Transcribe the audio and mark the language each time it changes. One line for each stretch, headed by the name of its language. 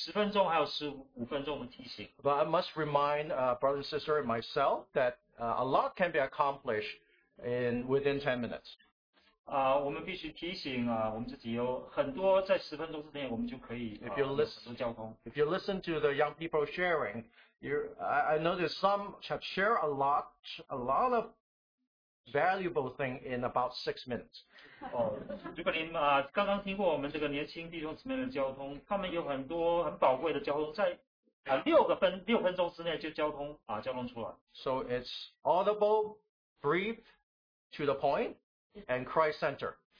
Chinese: 弟兄姊妹，你们很熟悉，我们有第十分钟还有十五分钟的提醒。
English: But I must remind brother and sister and myself that a lot can be accomplished within 10 minutes.
Chinese: 我们必须提醒我们自己有很多在十分钟之内我们就可以。
English: If you listen to the young people sharing, I noticed some have shared a lot of valuable thing in about 6 minutes.
Chinese: 如果您刚刚听过我们这个年轻弟兄姊妹的交通，他们有很多很宝贵的交通，在六分钟之内就交通出来。
English: So it's audible, brief, to the point, and Christ-centered.